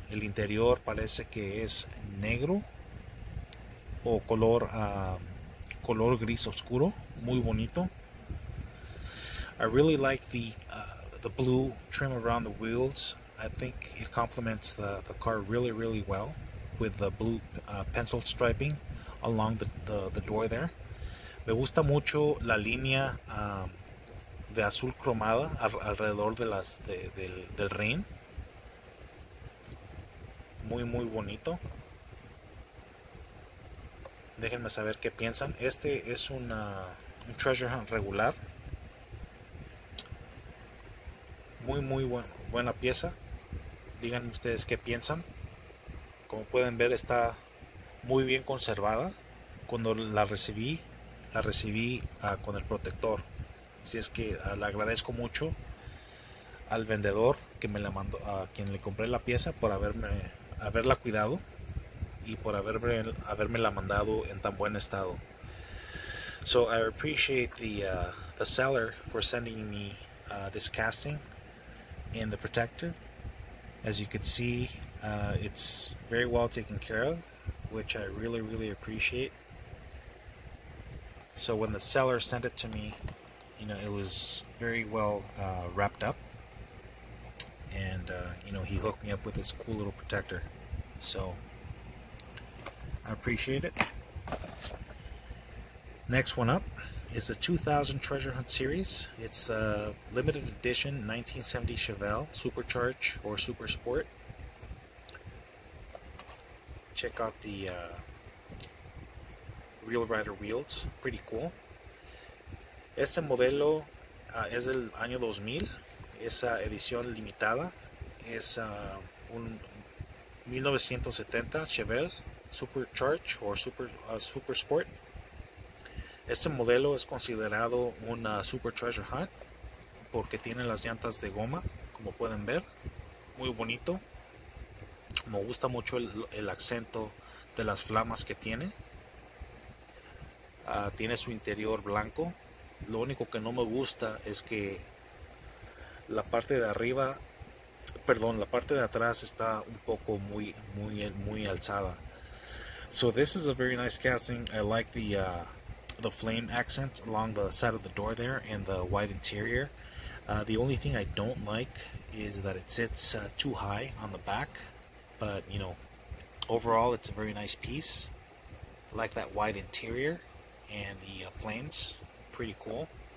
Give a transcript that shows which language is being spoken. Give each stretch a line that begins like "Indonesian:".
Spanish: El interior parece que es negro o color color gris oscuro. Muy bonito.
English: I really like the blue trim around the wheels. I think it complements the car really, really well with the blue pencil striping along the door there.
Spanish: Me gusta mucho la línea de azul cromada alrededor de las del rin. Muy, muy bonito. Déjenme saber qué piensan. Este es un treasure hunt regular. Muy, muy buena pieza. Díganme ustedes qué piensan. Como pueden ver, está muy bien conservada. Cuando la recibí con el protector. Así es que le agradezco mucho al vendedor que me la mandó, a quien le compré la pieza, por haberla cuidado y por haberme la mandado en tan buen estado.
English: So I appreciate the seller for sending me this casting and the protector. As you can see, it's very well taken care of, which I really, really appreciate. So when the seller sent it to me, you know, it was very well wrapped up, and you know, he hooked me up with this cool little protector. So I appreciate it. Next one up is the 2000 Treasure Hunt Series. It's a limited edition 1970 Chevelle Supercharge or Super Sport. Check out the Real Rider wheels, pretty cool.
Spanish: Este modelo es del año 2000, esa edición limitada. Es un 1970 Chevelle Supercharge
English: or
Spanish: Super Sport. Este modelo es considerado una Super Treasure Hunt porque tiene las llantas de goma, como pueden ver. Muy bonito. Me gusta mucho el acento de las flamas que tiene. Tiene su interior blanco. Lo único que no me gusta es que la parte de arriba, perdón, la parte de atrás está un poco muy alzada.
English: So this is a very nice casting. I like the flame accent along the side of the door there and the white interior. The only thing I don't like is that it sits too high on the back. But, you know, overall it's a very nice piece. I like that white interior and the flames. Pretty cool.